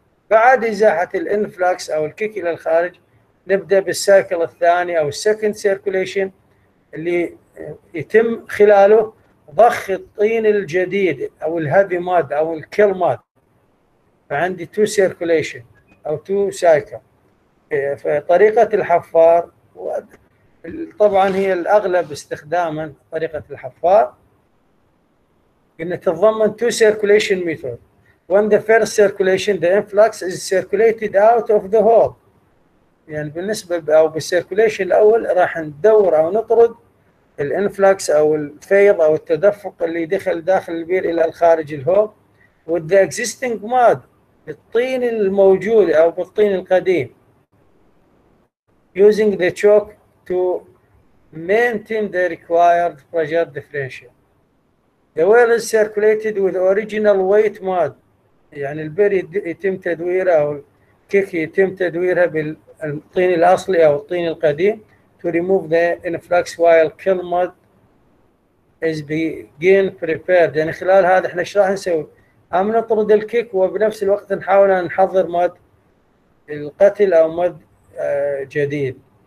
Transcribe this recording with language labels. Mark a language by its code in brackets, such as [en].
[ar] بعد ازاحه الانفلاكس او الكيك الى الخارج نبدا بالسايكل الثاني او السكند سيركوليشن، اللي يتم خلاله ضخ الطين الجديد او الهيفي ماد او الكيل ماد. فعندي تو سيركوليشن او تو سايكل. فطريقه الحفار طبعا هي الاغلب استخداما، طريقه الحفار إن تتضمن [en] two circulation method. When the first circulation, the influx is circulated out of the hole. [ar] يعني بالنسبة أو بالcirculation الأول راح ندور أو نطرد الانفلكس أو الفيض أو التدفق اللي دخل داخل البير إلى الخارج الهول. [en] With the existing mud, [ar] الطين الموجود أو بالطين القديم. [en] Using the chalk to maintain the required pressure differential. The well is circulated with original weight mud. [ar] يعني البير يتم تدويره أو الكيك يتم تدويرها بالطين الأصلي أو الطين القديم [en] to remove the influx while kiln mud is being prepared. [ar] يعني خلال هذا احنا ايش راح نسوي؟ عم نطرد الكيك وبنفس الوقت نحاول أن نحضر مد القتل أو مد جديد.